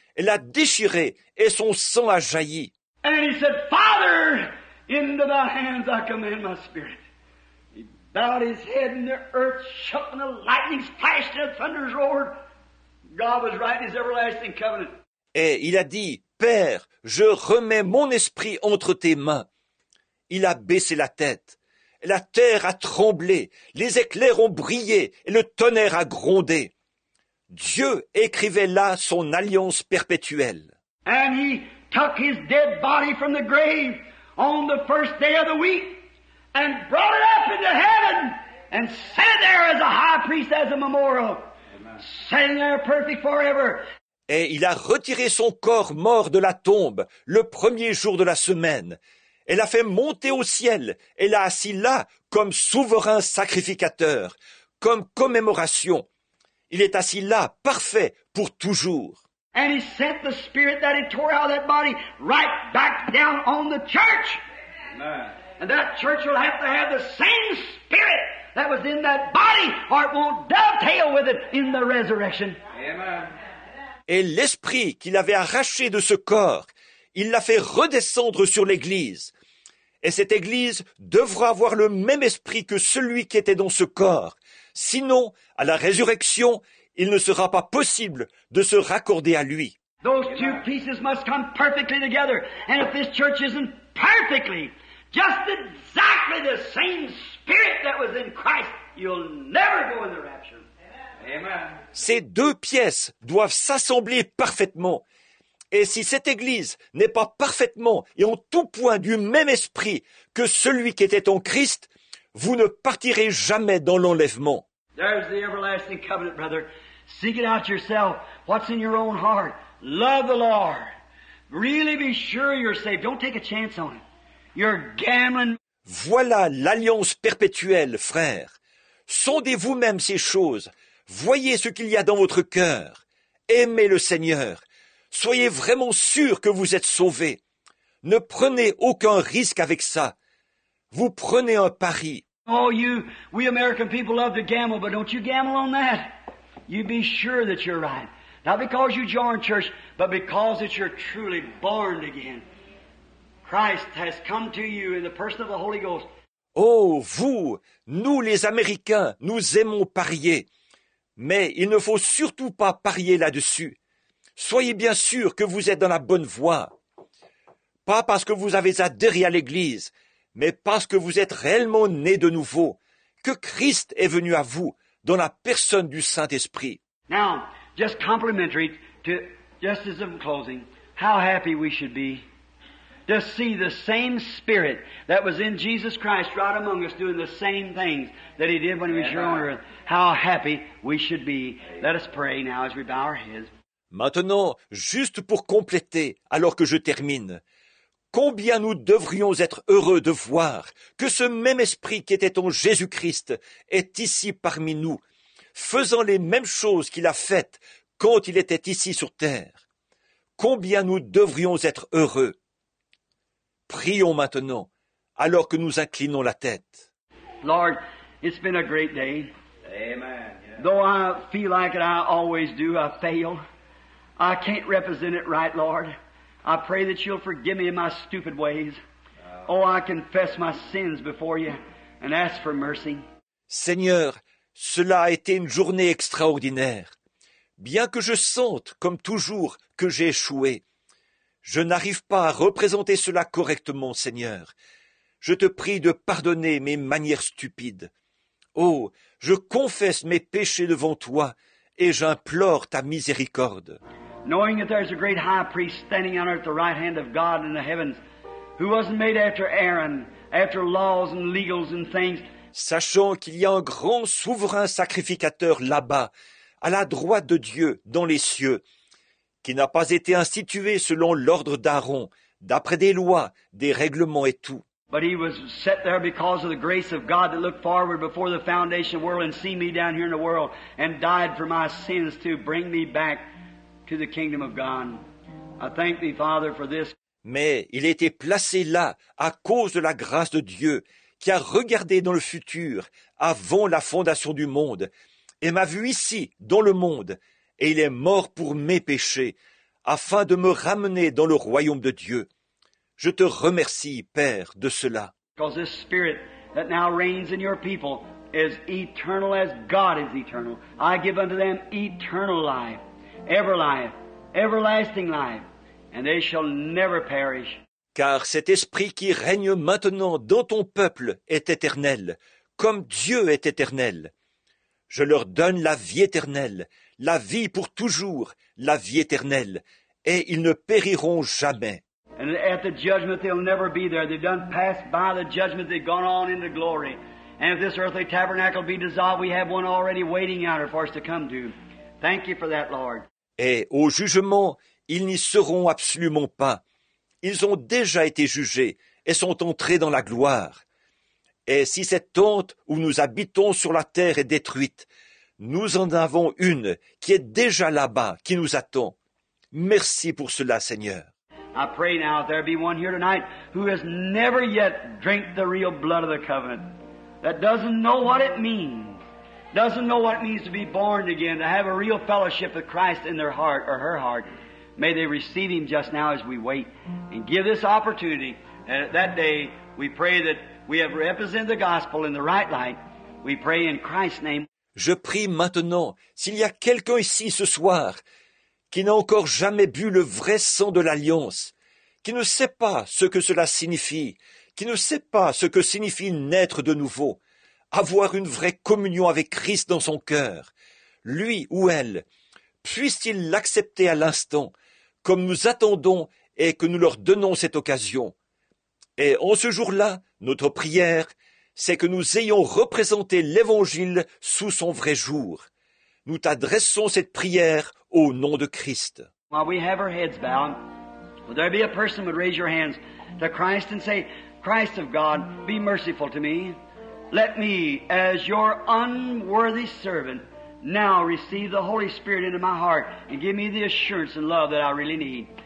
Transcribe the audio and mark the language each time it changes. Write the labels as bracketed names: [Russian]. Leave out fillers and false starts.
[French] Elle a déchiré et son sang a jailli. [English] And he said, Father, Into thy hands I commend my spirit. He bowed his head in the earth, shook, and the lightnings flashed and the thunders roared. God was writing his everlasting covenant. [French] Et il a dit, Père, je remets mon esprit entre tes mains. Il a baissé la tête. La terre a tremblé. Les éclairs ont brillé et le tonnerre a grondé. Dieu écrivait là son alliance perpétuelle. [English] And he took his dead body from the grave on the first day of the week and brought it up into heaven and sat there as a high priest, as a memorial, sitting there perfect forever. [French] Et il a retiré son corps mort de la tombe le premier jour de la semaine. Elle a fait monter au ciel et l'a assis là comme souverain sacrificateur, comme commémoration. Il est assis là, parfait, pour toujours. [English] And he sent the spirit that he tore out of that body right back down on the church. Amen. And that church will have to have the same spirit that was in that body, or it won't dovetail with it in the resurrection. Amen. [French] Et l'esprit qu'il avait arraché de ce corps, il l'a fait redescendre sur l'Église. Et cette Église devra avoir le même esprit que celui qui était dans ce corps. Sinon, à la résurrection, il ne sera pas possible de se raccorder à lui. [English] Those two pieces must come perfectly together. And if this church isn't perfectly, just exactly the same spirit that was in Christ, you'll never go in the rapture. Amen. [French] Ces deux pièces doivent s'assembler parfaitement. Et si cette Église n'est pas parfaitement et en tout point du même esprit que celui qui était en Christ, vous ne partirez jamais dans l'enlèvement. [English] There's the everlasting covenant, brother. Seek it out yourself. What's in your own heart? Love the Lord. Really be sure you're saved. Don't take a chance on it. You're gambling. [French] Voilà l'alliance perpétuelle, frère. Sondez vous-même ces choses. Voyez ce qu'il y a dans votre cœur. Aimez le Seigneur. Soyez vraiment sûr que vous êtes sauvé. Ne prenez aucun risque avec ça. Vous prenez un pari. [English] Oh, you, we American people love to gamble, but don't you gamble on that. You be sure that you're right. Not because you joined church, but because that you're truly born again. Christ has come to you in the person of the Holy Ghost. [French] Oh, vous, nous les Américains, nous aimons parier. Mais il ne faut surtout pas parier là-dessus. Soyez bien sûr que vous êtes dans la bonne voie. Pas parce que vous avez adhéré à l'Église, mais parce que vous êtes réellement né de nouveau, que Christ est venu à vous dans la personne du Saint-Esprit. [English] Now, just complimentary to, just as I'm closing, how happy we should be to see the same spirit that was in Jesus Christ right among us doing the same things that he did when he was here on earth. How happy we should be. Let us pray now as we bow our heads. [French] Maintenant, juste pour compléter, alors que je termine, combien nous devrions être heureux de voir que ce même esprit qui était en Jésus-Christ est ici parmi nous, faisant les mêmes choses qu'il a faites quand il était ici sur terre. Combien nous devrions être heureux. Prions maintenant, alors que nous inclinons la tête. [English] Lord, it's been a great day. Amen. Though I feel like it, I always do, I fail. I can't represent it right, Lord. I pray that you'll forgive me in my stupid ways. Oh, I confess my sins before you and ask for mercy. [French] Seigneur, cela a été une journée extraordinaire. Bien que je sente, comme toujours, que j'ai échoué, je n'arrive pas à représenter cela correctement, Seigneur. Je te prie de pardonner mes manières stupides. Oh, je confesse mes péchés devant toi et j'implore ta miséricorde. [English] Knowing that there's a great high priest standing on earth at the right hand of God in the heavens, who wasn't made after Aaron, after laws and legals and things. [French] Sachant qu'il y a un grand souverain sacrificateur là-bas, à la droite de Dieu, dans les cieux, qui n'a pas été institué selon l'ordre d'Aaron, d'après des lois, des règlements et tout. [English] But he was set there because of the grace of God that looked forward before the foundation of the world and see me down here in the world and died for my sins to bring me back to the kingdom of God. I thank thee, Father, for this. [French] Mais il a été placé là à cause de la grâce de Dieu qui a regardé dans le futur avant la fondation du monde et m'a vu ici dans le monde et il est mort pour mes péchés afin de me ramener dans le royaume de Dieu. Je te remercie, Père, de cela. [English] Because this spirit that now reigns in your people is eternal as God is eternal. I give unto them eternal life, ever life, everlasting life, and they shall never perish. [French] Car cet esprit qui règne maintenant dans ton peuple est éternel, comme Dieu est éternel. Je leur donne la vie éternelle, la vie pour toujours, la vie éternelle, et ils ne périront jamais. [English] And at the judgment they'll never be there. They've done passed by the judgment, they've gone on into glory. And if this earthly tabernacle be dissolved, we have one already waiting out for us to come to. Thank you for that, Lord. [French] Et au jugement, ils n'y seront absolument pas. Ils ont déjà été jugés et sont entrés dans la gloire. Et si cette tente où nous habitons sur la terre est détruite, nous en avons une qui est déjà là-bas, qui nous attend. Merci pour cela, Seigneur. [English] I pray now if there be one here tonight who has never yet drank the real blood of the covenant, that doesn't know what it means, doesn't know what it means to be born again, to have a real fellowship with Christ in their heart or her heart. May they receive Him just now as we wait and give this opportunity. And at that day, we pray that we have represented the gospel in the right light. We pray in Christ's name. [French] Je prie maintenant, s'il y a quelqu'un ici ce soir qui n'a encore jamais bu le vrai sang de l'Alliance, qui ne sait pas ce que cela signifie, qui ne sait pas ce que signifie naître de nouveau, avoir une vraie communion avec Christ dans son cœur, lui ou elle, puisse-t-il l'accepter à l'instant, comme nous attendons et que nous leur donnons cette occasion? Et en ce jour-là, notre prière, c'est que nous ayons représenté l'Évangile sous son vrai jour. Nous t'adressons cette prière au nom de Christ. [English] While we have our heads bowed, would there be a person who would raise your hands to Christ and say, Christ of God, be merciful to me. Let me, as your unworthy servant, now receive the Holy Spirit into my heart and give me the assurance and love that I really need.